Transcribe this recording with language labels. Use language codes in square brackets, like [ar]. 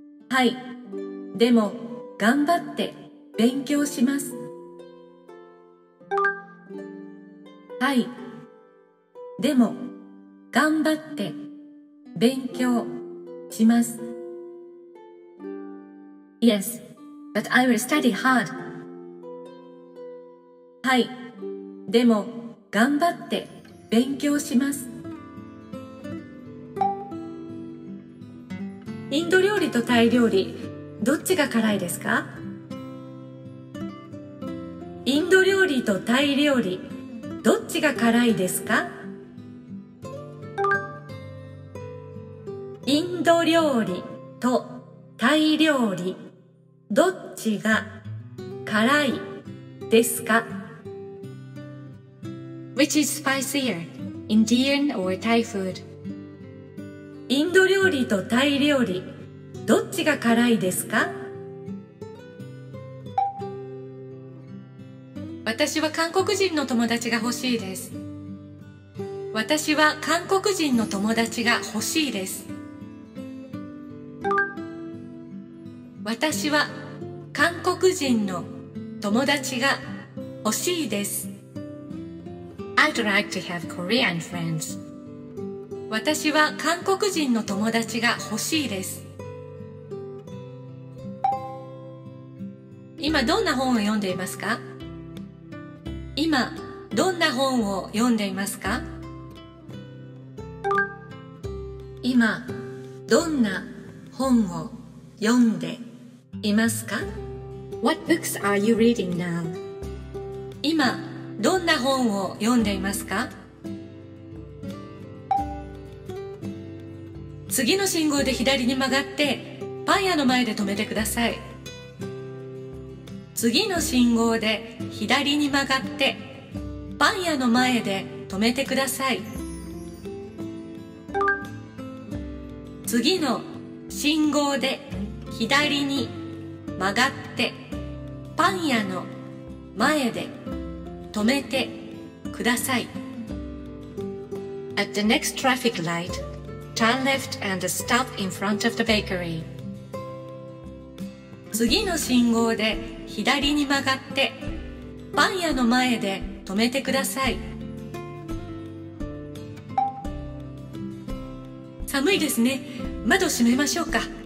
[ja] はい、でも頑張って勉強します。はい、でも頑張って勉強します。 [en] Yes, but I will study hard. [ja] はい、でも頑張って勉強します。インド料理とタイ料理、どっちが辛いですか？インド料理とタイ料理、どっちが辛いですか？インド料理とタイ料理、どっちが辛いですか？ [en] Which is spicier, Indian or Thai food? [ja] インド料理とタイ料理、どっちが辛いですか？私は韓国人の友達が欲しいです。私は韓国人の友達が欲しいです。私は韓国人の友達が欲しいです。 [en] I'd like to have Korean friends. [ja] 私は韓国人の友達が欲しいです。今どんな本を読んでいますか？今どんな本を読んでいますか？今どんな本を読んでいますか？ [en] What books are you reading now? [ja] 今どんな本を読んでいますか？次の信号で左に曲がってパン屋の前で止めてください。次の信号で左に曲がってパン屋の前で止めてください。次の信号で左に曲がってパン屋の前で止めてください。 [en] At the next traffic light, turn left and stop in front of the bakery. [ja] 次の信号で左に曲がってパン屋の前で止めてください。寒いですね、窓閉めましょうか。